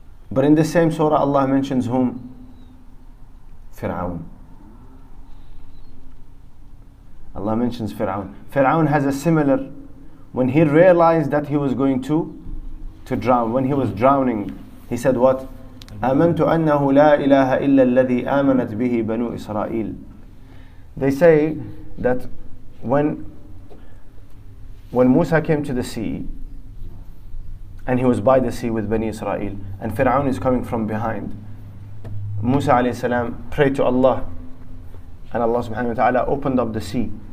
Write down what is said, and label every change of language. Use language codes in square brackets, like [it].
[en] But in the same surah, Allah mentions whom? Fir'aun. Allah mentions Fir'aun. Fir'aun has a similar, when he realized that he was going to drown, when he was drowning, he said what? [ar] آمنت أنه لا إله إلا الذي آمنت به بنو إسرائيل. [en] They say that when Musa came to the sea, and he was by the sea with Bani Israel, and Fir'aun is coming from behind, Musa alayhi salam prayed to Allah, and Allah subhanahu wa ta'ala opened up the sea.